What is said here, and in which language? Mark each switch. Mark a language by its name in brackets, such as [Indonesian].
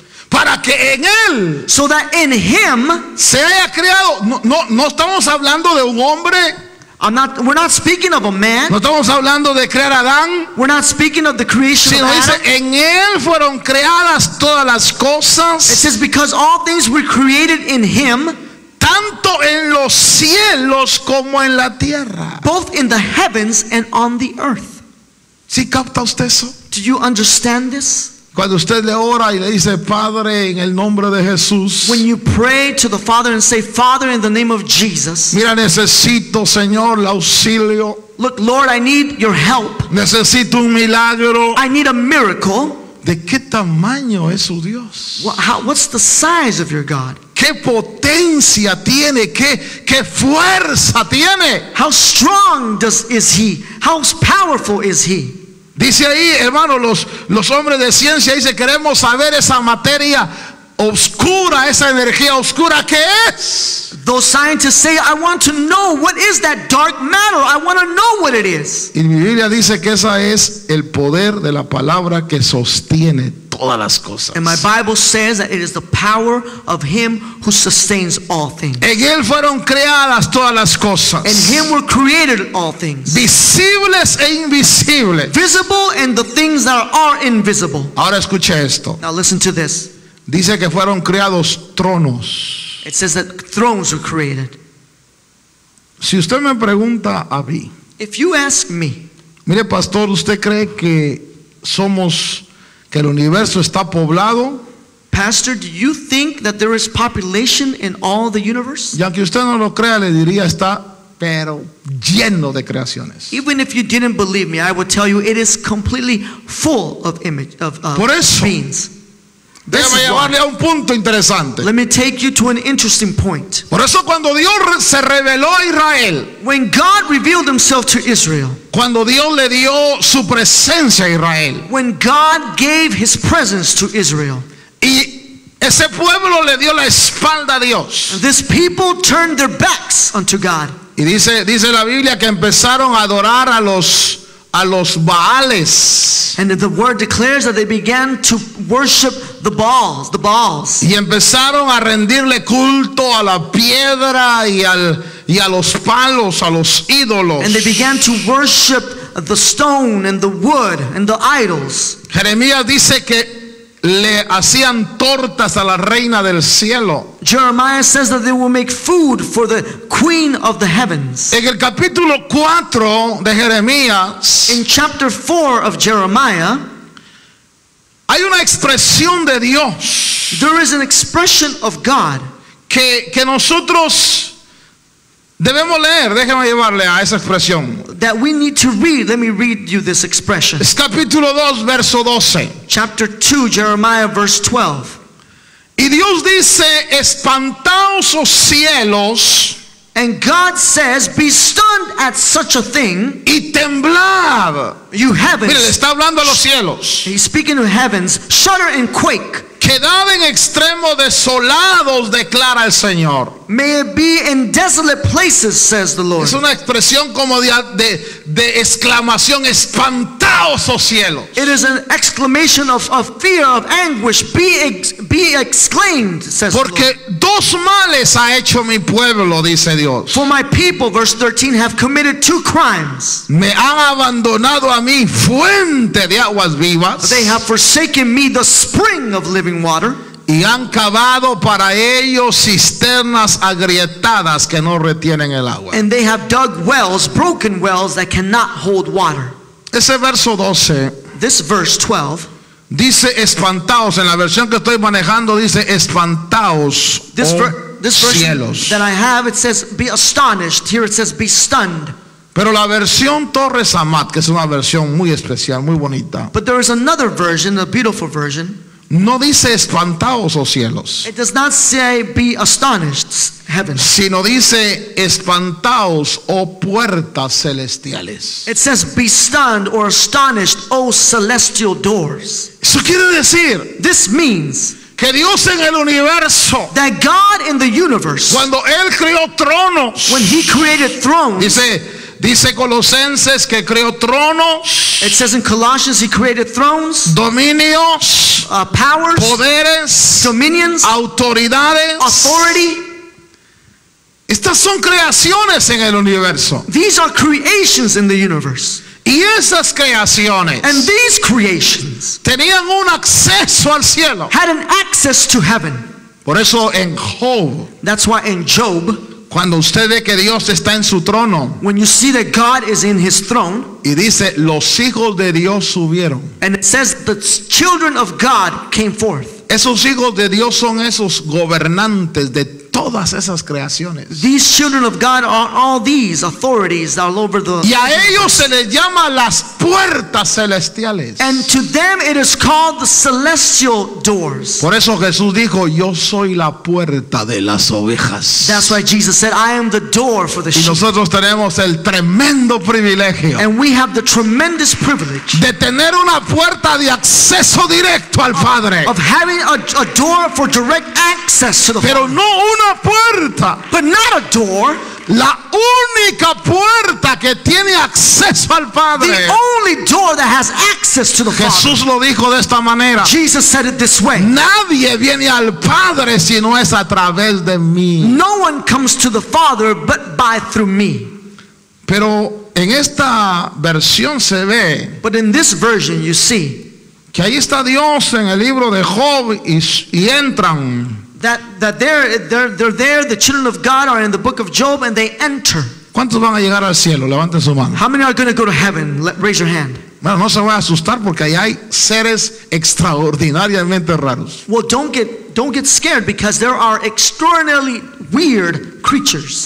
[Spanish] Para que en él, [English] so that in him, [Spanish] se haya creado. No, no, no estamos hablando de un hombre. [English] We're not speaking of a man. [Spanish] No estamos hablando de crear Adán. [English] We're not speaking of the creation [Spanish] sino [English] of Adam. [Spanish] Dice, en él fueron creadas todas las cosas. [English] It says because all things were created in him. [Spanish] Tanto en los cielos como en la tierra. [English] Both in the heavens and on the earth. [Spanish] ¿Sí capta usted eso? [English] Do you understand this? [Spanish] Cuando usted le ora y le dice Padre en el nombre de Jesús. [English] When you pray to the Father and say Father in the name of Jesus. [Spanish] Mira, necesito, Señor, el auxilio. [English] Look, Lord, I need your help. [Spanish] Necesito un milagro. [English] I need a miracle. [Spanish] ¿De qué tamaño es su Dios? [English] What's the size of your God? [Spanish] ¿Qué potencia tiene? ¿Qué fuerza tiene? [English] How strong is he? How powerful is he? [Spanish] Dice ahí, hermano, los hombres de ciencia dice, queremos saber esa materia oscura, esa energía oscura, ¿qué es? [English] Those scientists say, I want to know what is that dark matter. I want to know what it is. [Spanish] Y mi Biblia dice que esa es el poder de la palabra que sostiene todas las cosas. [English] And my Bible says that it is the power of him who sustains all things. [Spanish] En él fueron creadas todas las cosas. [English] In him were created all things. [Spanish] Visibles e invisibles. [English] Visible and the things that are invisible. [Spanish] Ahora escucha esto. [English] Now listen to this. [Spanish] Dice que fueron creados tronos. [English] It says that thrones were created. [Spanish] Si usted me pregunta a mí. [English] If you ask me. [Spanish] Mire, pastor, ¿usted cree que somos que el universo está poblado? [English] Pastor, do you think that there is population in all the universe? [Spanish] Y aunque usted no lo crea, le diría está pero lleno de creaciones. [English] Even if you didn't believe me, I would tell you it is completely full of image of [Spanish] por eso, [English] beings. [Spanish] Déjame llevarle a un punto interesante. [English] Let me take you to an interesting point. [Spanish] Por eso cuando Dios se reveló a Israel. [English] When God revealed himself to Israel. [Spanish] Cuando Dios le dio su presencia a Israel. [English] When God gave his presence to Israel. [Spanish] Y ese pueblo le dio la espalda a Dios. [English] This people turned their backs unto God. [Spanish] Y dice la Biblia que empezaron a adorar a los Baales. [English] And the word declares that they began to worship the Baals. [Spanish] Y empezaron a rendirle culto a la piedra y a los palos, a los ídolos. [English] And they began to worship the stone and the wood and the idols. [Spanish] Jeremías dice que le hacían tortas a la reina del cielo. [English] Jeremiah says that they will make food for the queen of the heavens. [Spanish] En el capítulo 4 de Jeremías. [English] In chapter 4 of Jeremiah. [Spanish] Hay una expresión de Dios. [English] There is an expression of God [Spanish] que nosotros debemos leer. Déjame llevarle a esa expresión. [English] That we need to read. Let me read you this expression. [Spanish] Es capítulo 2, verso 12. [English] Chapter 2, Jeremiah, verse 12. [Spanish] Y Dios dice, espantaos los cielos. [English] And God says, be stunned at such a thing. [Spanish] Y temblad. [English] You heavens. [Spanish] Mire, le está hablando a los cielos. [English] He's speaking to heavens. Shudder and quake. [Spanish] Quedad en extremo desolados, declara el Señor. [English] May it be in desolate places, says the Lord. [Spanish] Es una expresión como de exclamación, espantaos, oh cielos. [English] It is an exclamation of fear, of anguish. Be exclaimed, says the Lord. [Spanish] Porque dos males ha hecho mi pueblo, dice Dios. [English] For my people, verse 13, have committed two crimes. [Spanish] Me han abandonado a mí, fuente de aguas vivas. [English] They have forsaken me, the spring of living water. [Spanish] Y han cavado para ellos cisternas agrietadas que no retienen el agua. [English] And they have dug wells, broken wells that cannot hold water. [Spanish] Ese verso 12. [English] This verse 12. [Spanish] Dice espantaos. En la versión que estoy manejando dice espantaos. [English] This [Spanish] cielos. [English] That I have, it says be astonished. Here it says be stunned. [Spanish] Pero la versión Torres Amat, que es una versión muy especial, muy bonita. [English] But there is another version, a beautiful version. [Spanish] No dice espantaos, oh cielos. [English] It does not say be astonished, heavens. [Spanish] Sino dice espantaos, oh puertas celestiales. [English] It says be stunned or astonished, oh celestial doors. [Spanish] Eso quiere decir. [English] This means. [Spanish] Que Dios en el universo. [English] That God in the universe. [Spanish] Cuando Él creó tronos. [English] When He created thrones. [Spanish] Dice Colosenses que creó tronos. [English] It says in Colossians He created thrones. [Spanish] Dominios. [English] Powers. [Spanish] Poderes. [English] Dominions. [Spanish] Autoridades. [English] Authority. [Spanish] Estas son creaciones en el universo. [English] These are creations in the universe. [Spanish] Y esas creaciones. [English] And these creations. [Spanish] Tenían un acceso al cielo. [English] Had an access to heaven. [Spanish] Por eso en Job. [English] That's why in Job. [Spanish] Cuando usted ve que Dios está en su trono. [English] When you see that God is in his throne. [Spanish] Y dice, los hijos de Dios subieron. [English] And it says the children of God came forth. [Spanish] Esos hijos de Dios son esos gobernantes de todas esas creaciones. [English] These children of God are all these authorities all over the. [Spanish] Y a ellos se les llama las puertas celestiales. [English] And to them it is called the celestial doors. [Spanish] Por eso Jesús dijo, yo soy la puerta de las ovejas. [English] That's why Jesus said, I am the door for the sheep. [Spanish] Y nosotros tenemos el tremendo privilegio. [English] And we have the tremendous privilege. [Spanish] De tener una puerta de acceso directo al Padre. [English] Of having a door for direct access to the [Spanish] Pero [English] Father. [Spanish] Pero no una puerta. [English] But not a door. [Spanish] La única puerta que tiene acceso al Padre. [English] The only door that has access to the Father. [Spanish] Jesús lo dijo de esta manera. [English] Jesus said it this way. [Spanish] Nadie viene al Padre si no es a través de mí. [English] No one comes to the Father but by through me. [Spanish] Pero en esta versión se ve. [English] But in this version you see. [Spanish] Que ahí está Dios en el libro de Job y entran. [English] That they're there, the children of God are in the book of Job and they enter. [Spanish] ¿Cuántos van a llegar al cielo? Levanten su mano. [English] How many are going to go to heaven? Raise your hand. [Spanish] Bueno, no se va a asustar porque ahí hay seres extraordinariamente raros. [English] Well, don't get scared because there are extraordinarily weird creatures.